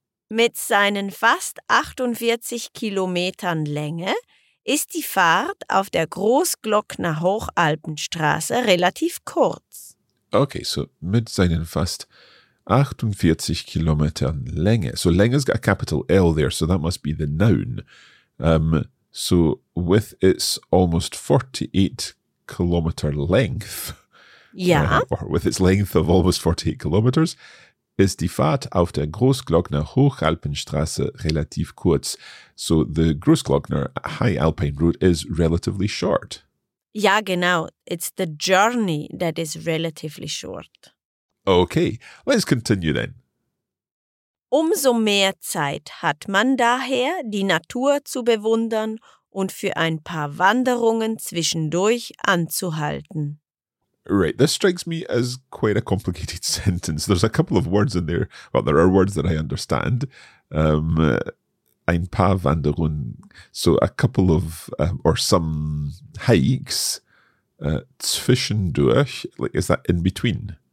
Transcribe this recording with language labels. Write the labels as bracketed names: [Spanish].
[German] Mit seinen fast 48 Kilometern Länge ist die Fahrt auf der Großglockner Hochalpenstraße relativ kurz. [English] Okay, so [German] mit seinen fast 48 Kilometern Länge. [English] So Länge's got a capital L there, so that must be the noun. So with its almost 48 kilometer length. Yeah. Or with its length of almost 48 kilometers, [German] ist die Fahrt auf der Großglockner Hochalpenstraße relativ kurz. [English] So the Großglockner High Alpine Route is relatively short. [German] Ja, genau. [English] It's the journey that is relatively short. Okay, let's continue then. [German] Umso mehr Zeit hat man daher, die Natur zu bewundern und für ein paar Wanderungen zwischendurch anzuhalten. [English] Right, this strikes me as quite a complicated sentence. There's a couple of words in there. Well, there are words that I understand. [German] Ein paar Wanderungen, [English] so a couple of, or some hikes, zwischendurch, like is that in between?